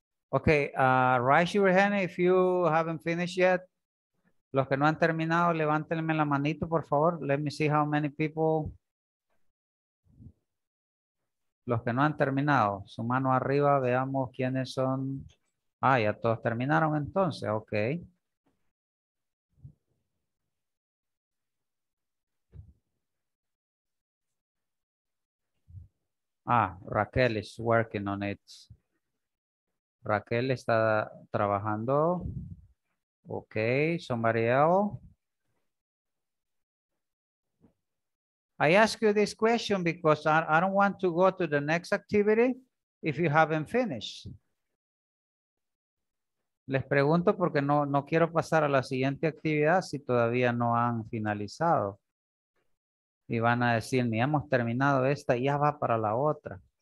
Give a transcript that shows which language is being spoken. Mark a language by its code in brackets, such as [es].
[en] Okay, raise your hand if you haven't finished yet. [es] Los que no han terminado, levántenme la manito, por favor. [en] Let me see how many people. [es] Los que no han terminado, su mano arriba, veamos quiénes son. Ah, ya todos terminaron entonces, ok. [en] Ah, Raquel is working on it. [es] Raquel está trabajando. [en] Ok, somebody else. I ask you this question because I don't want to go to the next activity if you haven't finished. [es] Les pregunto porque no quiero pasar a la siguiente actividad si todavía no han finalizado. Y van a decir, ni hemos terminado esta, ya va para la otra.